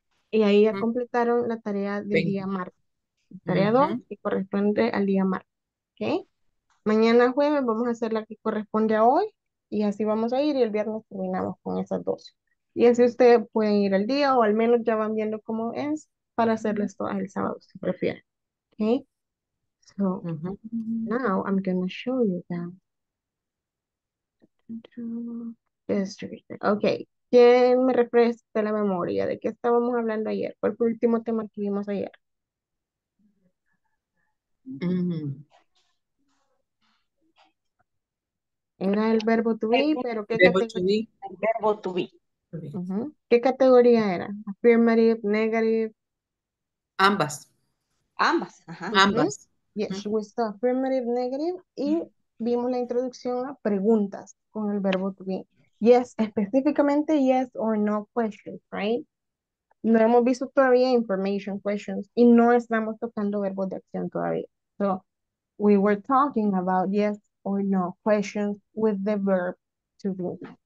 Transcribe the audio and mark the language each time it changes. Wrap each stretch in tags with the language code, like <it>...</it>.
<es>Y ahí ya completaron la tarea del día martes. Tarea 2 que corresponde al día martes. ¿Okay? Mañana jueves vamos a hacer la que corresponde a hoy y así vamos a ir y el viernes terminamos con esas 12. Y así ustedes pueden ir al día o al menos ya van viendo cómo es para hacerles todas el sábado si prefieren. ¿Okay?</es> <en>So, now I'm going to show you that.</en> <es>Okay. ¿Quién me refresca la memoria? ¿De qué estábamos hablando ayer? ¿Cuál fue el último tema que vimos ayer? Era el verbo to be, pero ¿qué categoría? Verbo to be. ¿Qué categoría era?</es> <en>Affirmative, negative.</en> <es>Ambas. Ambas, ajá. Ambas.</es> <en>Yes, we saw affirmative, negative,</en> <es>y vimos la introducción a preguntas con el verbo to be.</es> <en>Yes, específicamente yes or no questions, right?</en> <es>No hemos visto todavía information questions y no estamos tocando verbos de acción todavía.</es> <en>So, we were talking about yes or no questions with the verb to be.</en>